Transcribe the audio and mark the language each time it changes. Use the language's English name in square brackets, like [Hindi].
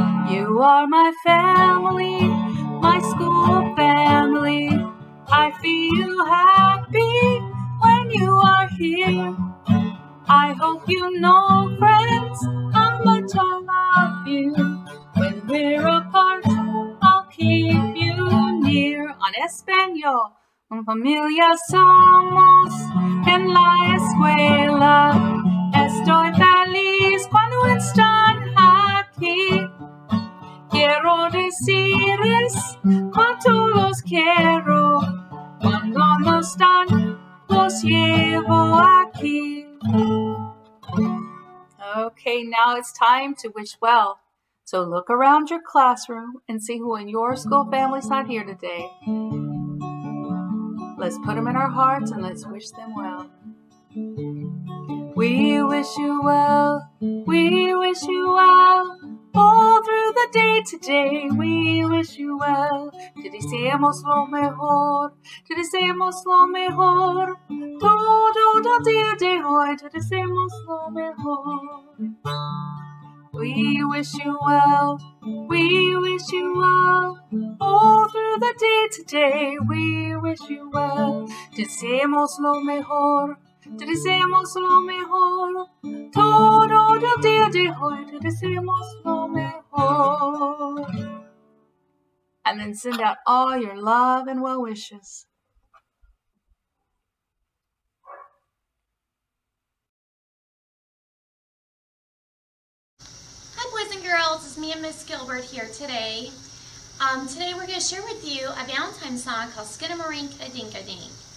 [English] You are my family, my school family. I feel happy when you are here. I hope you know, friends, how much I love you. When we're apart, I'll keep you near. [Spanish] On Espanol, un familia somos en la escuela. Estoy feliz cuando están aquí. Quiero decirles cuánto los quiero. Cuando no están, los llevo aquí. [English] Okay, now it's time to wish well. So look around your classroom and see who in your school family's not here today. Let's put them in our hearts and let's wish them well. We wish you well, we wish you well, all through the day today. We wish you well, [Spanish] te deseamos lo mejor, te deseamos lo mejor, todo el día de hoy, te deseamos lo mejor. [English] We wish you well, we wish you well, all through the day today. We wish you well, [Spanish] te deseamos lo mejor. Te deseamos lo mejor, todo el día de hoy, te deseamos lo mejor. [English] And then send out all your love and well wishes. Hi boys and girls, it's me and Miss Gilbert here today. Today we're going to share with you a Valentine's song called Skinnamarink-a-Dink-a-Dink.